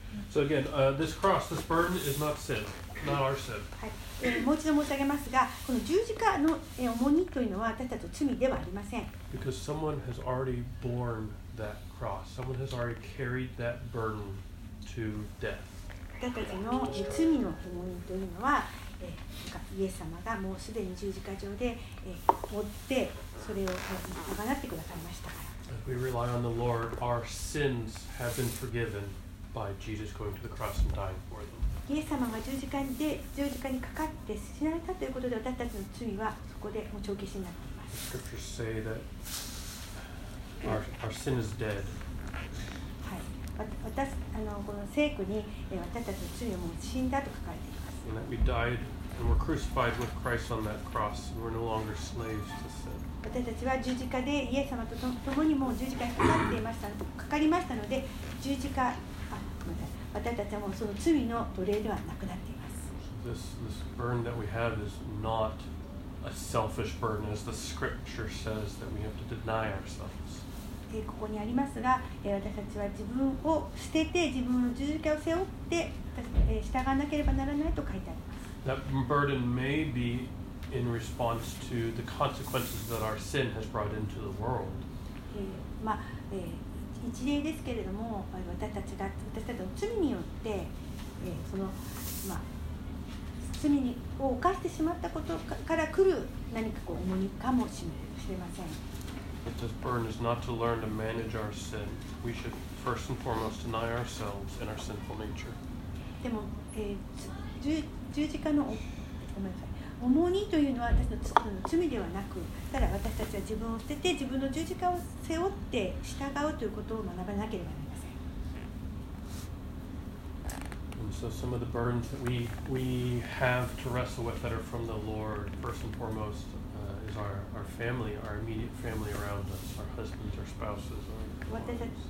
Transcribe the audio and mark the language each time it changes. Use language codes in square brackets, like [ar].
[en] So again, this cross, this burden is not sin, not our sin. [ja] もう一度申し上げますが、この十字架の重荷というのは私たちの罪ではありません。 [en] Because someone has already borne that cross, someone has already carried that burden to death. [ja] 私たちの罪の重荷というのは、イエス様がもうすでに十字架上で負ってそれを贖ってくださいましたから。 [en] If we rely on the Lord, our sins have been forgiven by Jesus going to the cross and dying for them. [ja] イエス様が十字架にかかって死なれたということで、私たちの罪はそこでもう帳消しになっています。 [en] The scriptures say that our sin is dead. [ja] はい。この聖句に私たちの罪はもう死んだと書かれています。 [en] And that we died and were crucified with Christ on that cross, and we're no longer slaves to sin. [ja] 私たちは十字架でイエス様と共にもう十字架にかかっていました、かかりましたので十字架、あ、ごめんなさい、私たちはもうその罪の奴隷ではなくなっています。 [en] This burden that we have is not a selfish burden, as the scripture says that we have to deny ourselves. [ja] ここにありますが、私たちは自分を捨てて自分の十字架を背負って従わなければならないと書いてあります。 [en] That burden may beIn response to the consequences that our sin has brought into the world. [ja] まあ、一例ですけれども、私たちの罪によって、その、まあ、罪を犯してしまったことから来る何かこう重荷かもしれません。 [en] But this burden is not to learn to manage our sin. We should first and foremost deny ourselves and our sinful nature. [ja] でも、十字架のごめんなさい。重荷というのは私の罪ではなく、ただ私たちは自分を捨てて自分の十字架を背負って従うということを学ばなければなりません。 [en] And so some of the burdens that we have to wrestle with that are from the Lord, first and foremost, is our family, our immediate family around us, our husbands, our spouses, our wives.